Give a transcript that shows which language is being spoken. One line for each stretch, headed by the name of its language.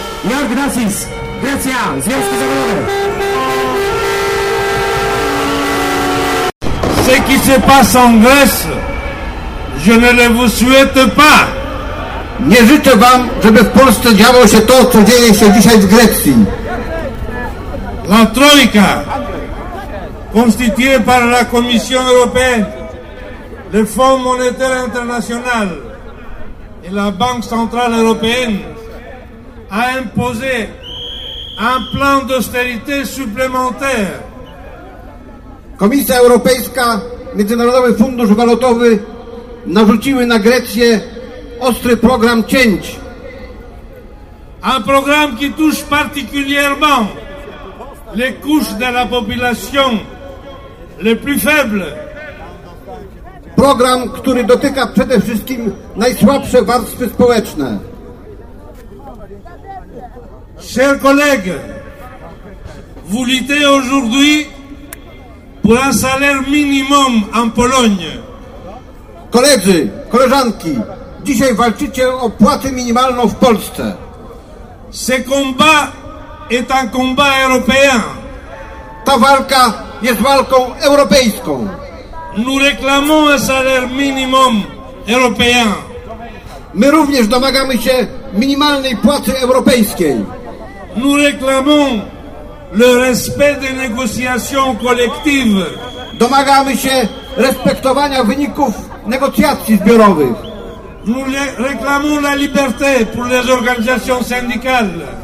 Polish: Jörg Nasis, Grecja, Związki Zawodowe.
French: Ceux qui se passent en Grèce, je ne le vous souhaite pas.
Polish: Nie życzę wam, żeby w Polsce działo się to, co dzieje się dzisiaj w Grecji.
French: La Troïka, constituée par la Commission européenne, le Fonds monétaire international et la Banque centrale européenne, a imposé un plan d'austérité supplémentaire.
Polish: Komisja Europejska, Międzynarodowy Fundusz Walutowy narzuciły na Grecję ostry program cięć.
French: Un programme qui touche particulièrement les couches de la population les plus faibles.
Polish: Program, który dotyka przede wszystkim najsłabsze warstwy społeczne.
French: Chers collègues, vous luttez aujourd'hui pour un salaire minimum en Pologne.
Polish: Koledzy, koleżanki, dzisiaj walczycie o płacę minimalną w Polsce.
French: Ce combat est un combat européen. T-
Polish: ta walka jest walką europejską.
French: Nous réclamons un salaire minimum européen.
Polish: My również domagamy się minimalnej płacy europejskiej.
French: Nous réclamons le respect des négociations collectives.
Polish: Domagamy się respektowania wyników negocjacji zbiorowych.
French: Nous réclamons la liberté pour les organisations syndicales.